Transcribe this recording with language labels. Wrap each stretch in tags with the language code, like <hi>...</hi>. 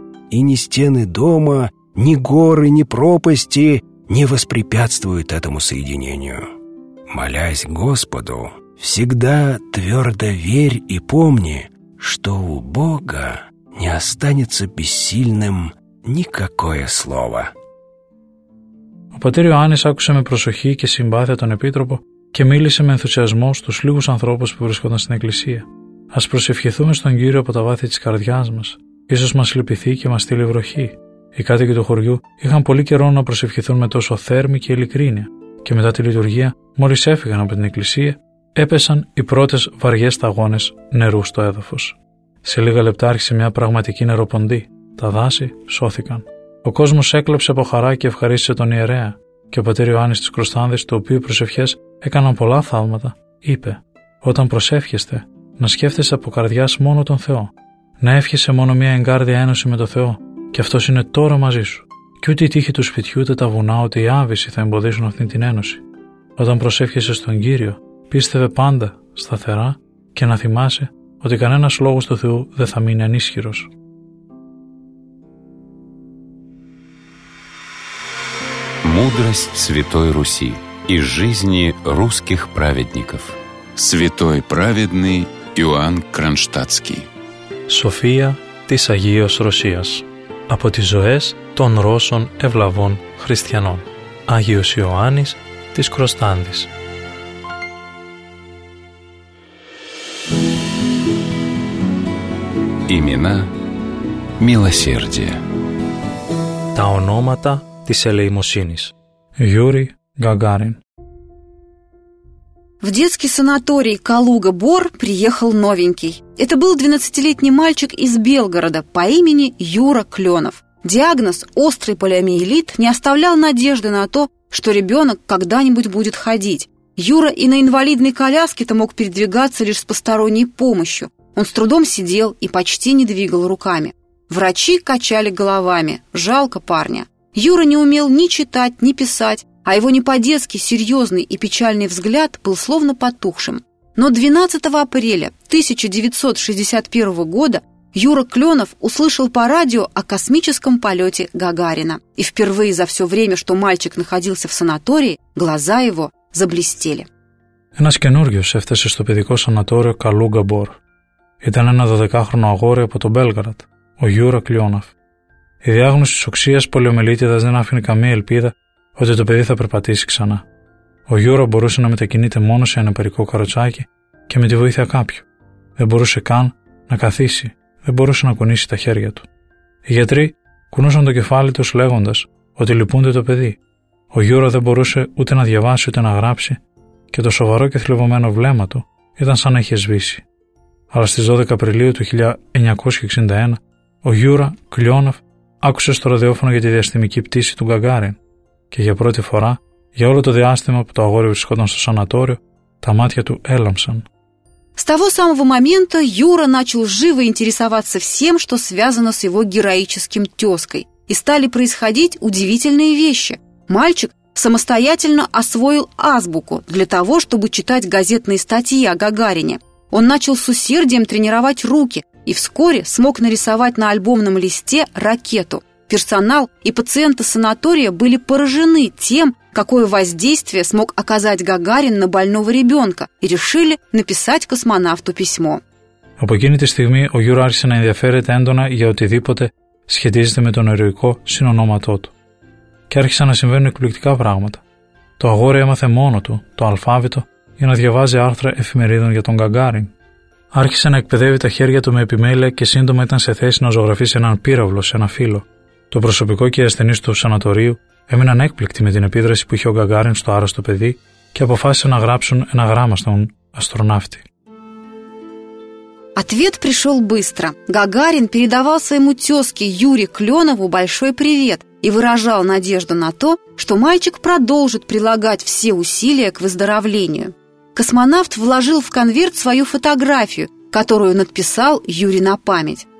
<ru>И ни стены дома, ни горы, ни пропасти не воспрепятствуют этому соединению. Молясь Господу, всегда твердо верь и помни, что у Бога не останется бессильным никакое слово».</ru> <el>Ο πατήρ Ιωάννης άκουσε με προσοχή και συμπάθεια τον επίτροπο και μίλησε με ενθουσιασμό στους λίγους ανθρώπους που βρισκόταν στην εκκλησία. «Ας προσευχηθούμε στον Κύριο από τα βάθη της καρδιάς μας. Ίσως μας λυπηθεί και μας στείλει βροχή». Οι κάτοικοι του χωριού είχαν πολύ καιρό να προσευχηθούν με τόσο θέρμη και ειλικρίνεια, και μετά τη λειτουργία, μόλις έφυγαν από την εκκλησία, έπεσαν οι πρώτες βαριές σταγόνες νερού στο έδαφος. Σε λίγα λεπτά άρχισε μια πραγματική νεροποντή. Τα δάση σώθηκαν. Ο κόσμος έκλαψε από χαρά και ευχαρίστησε τον ιερέα, και ο πατήρ Ιωάννης της Κροστάνδης, του οποίου οι προσευχές έκαναν πολλά θαύματα, είπε: «Όταν προσεύχεστε, να σκέφτεσαι από καρδιάς μόνο τον Θεό. Να εύχεσαι μόνο μια εγκάρδια ένωση με τον Θεό, και αυτός είναι τώρα μαζί σου. Και ούτε η τύχη του σπιτιού, ούτε τα βουνά, ούτε η άβυση θα εμποδίσουν αυτήν την ένωση. Όταν προσεύχεσαι στον Κύριο, πίστευε πάντα σταθερά και να θυμάσαι ότι κανένας λόγος του Θεού δεν θα μείνει ανίσχυρος».</el> <ru>Мудрость Святой Руси и жизни русских праведников. Святой праведный Иоанн Кронштадтский.</ru> <el>София της Αγίας Ρωσίας. Από τις ζωές των Ρώσων ευλαβών χριστιανών. Άγιος Ιωάννης της Κροστάνδης.</el> <ru>Имена милосердия.</ru> <el>Τα ονόματα της ελεημοσύνης.</el> <ru>Юрий Гагарин. В детский санаторий Калуга-Бор приехал новенький. Это был 12-летний мальчик из Белгорода по имени Юра Кленов. Диагноз «острый полиомиелит» не оставлял надежды на то, что ребенок когда-нибудь будет ходить. Юра и на инвалидной коляске-то мог передвигаться лишь с посторонней помощью. Он с трудом сидел и почти не двигал руками. Врачи качали головами. Жалко парня. Юра не умел ни читать, ни писать, а его не по-детски серьезный и печальный взгляд был словно потухшим. Но 12 апреля 1961 года Юра Кленов услышал по радио о космическом полете Гагарина. И впервые за все время, что мальчик находился в санатории, глаза его заблестели.</ru> <el>Ένας καινούργιος έφτασε στο παιδικό санаторио Калуга-Бор. Ήταν ένα 12-χρονο αγόρι από τον Белгород, ο Юра Кленов. Η διάγνωση της οξείας πολιομελίτιδας δεν άφηνε καμία ελπίδα ότι το παιδί θα περπατήσει ξανά. Ο Γιούρο μπορούσε να μετακινείται μόνο σε ένα περικό καροτσάκι και με τη βοήθεια κάποιου. Δεν μπορούσε καν να καθίσει, δεν μπορούσε να κουνήσει τα χέρια του. Οι γιατροί κουνούσαν το κεφάλι τους λέγοντας ότι λυπούνται το παιδί. Ο Γιούρο δεν μπορούσε ούτε να διαβάσει ούτε να γράψει και το σοβαρό και θλιβωμένο βλέμμα του ήταν σαν να είχε σβήσει. Αλλά στις 12 Απριλίου του 1961 ο Γιούρα Κλιόνοφ άκουσε στο ραδιόφωνο για τη διαστημική πτήση του Γκαγκάριν και για πρώτη φορά για όλο το διάστημα που το αγόρι βρισκόταν στο σανατόριο τα μάτια του έλαμψαν.</el> <ru>С того самого момента Юра начал живо интересоваться всем, что связано с его героическим тезкой, и стали происходить удивительные вещи. Мальчик самостоятельно освоил азбуку для того, чтобы читать газетные статьи о Гагарине. Он начал с усердием тренировать руки и вскоре смог нарисовать на альбомном листе ракету. Персонал и пациенты санатория были поражены тем, какое воздействие смог оказать Гагарин на больного ребенка, и решили написать космонавту письмо.</ru> <el>Από εκείνη τη στιγμή ο Γιούρο άρχισε να ενδιαφέρεται έντονα για οτιδήποτε σχετίζεται με τον ηρωικό συνονόματό του. Και άρχισαν να συμβαίνουν εκπληκτικά πράγματα. Το αγόρι έμαθε μόνο του το αλφάβητο για να διαβάζει άρθρα εφημερίδων για τον Γκαγκάριν. Άρχισε να εκπαιδεύει τα χέρια του με επιμέλεια και σύντομα ήταν σε θέση να ζωγραφίσει έναν πύραυλο σε ένα φύλλο. Το προσωπικό και οι ασθενείς του σανατορίου έμειναν έκπληκτοι με την επίδραση που είχε ο Γκαγκάριν στο άρρωστο παιδί και αποφάσισαν να γράψουν ένα γράμμα στον αστροναύτη.</el> <ru>Ответ пришел быстро. Гагарин передавал своему тезке Юре Кленову большой привет и выражал надежду на то, что мальчик продолжит прилагать все усилия к выздоровлению. Космонавт вложил в конверт свою фотографию, которую надписал Юре на память.</ru>